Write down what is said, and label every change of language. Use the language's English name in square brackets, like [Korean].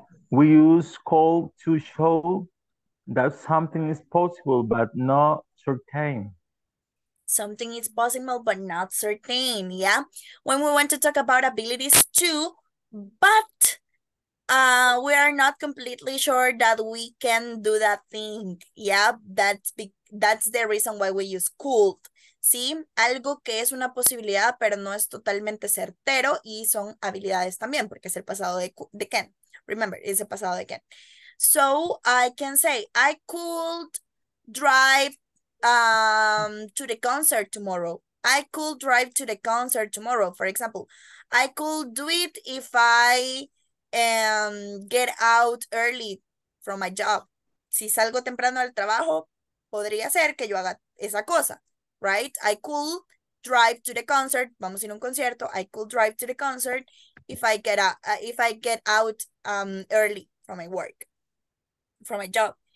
[English] We use could to show that something is possible, but not certain. Something is possible, but not certain, yeah? When we want to talk about abilities too, but we are not completely sure that we can do that thing, yeah? That's the reason why we use could. ¿Sí? [Spanish] Algo que es una posibilidad, pero no es totalmente certero, y son habilidades también, porque es el pasado de can. Remember, es el pasado de can. [English] So I can say, I could drive to the concert tomorrow. I could drive to the concert tomorrow, for example. I could do it if I get out early from my job. [Spanish] Si salgo temprano del trabajo, podría ser que yo haga esa cosa, right? [English] I could drive to the concert. [Spanish] Vamos a ir a un concierto. [English] I could drive to the concert if I get out early from my work. From my job.